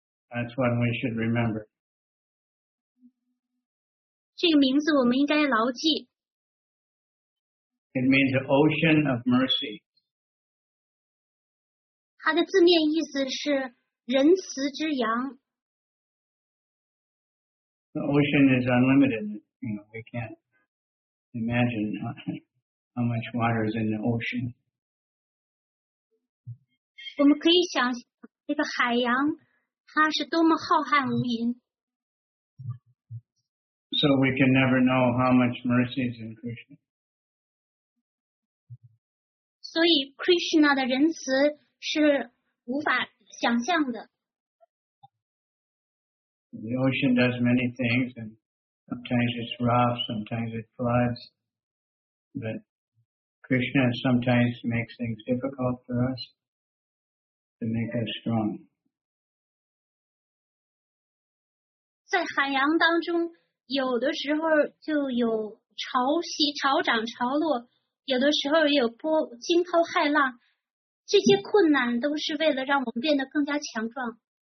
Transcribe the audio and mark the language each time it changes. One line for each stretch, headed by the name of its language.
English: That's one we should remember.
Chinese: 这个名字我们应该牢记。
English: It means an ocean of mercy.
Chinese: 它的字面意思是仁慈之洋。
English: The ocean is unlimited. You know, we can't imagine how much water is in the ocean.
Chinese: 我们可以想这个海洋它是多么浩瀚无垠。
English: So we can never know how much mercy is in Krishna.
Chinese: 所以 Krishna 的仁慈是无法想象的。
English: The ocean does many things, and sometimes it's rough, sometimes it floods, but Krishna sometimes makes things difficult for us to make us strong.
Chinese: 在海洋当中，有的时候就有潮汐、潮涨、潮落，有的时候也有波、惊涛骇浪，这些困难都是为了让我们变得更加强壮。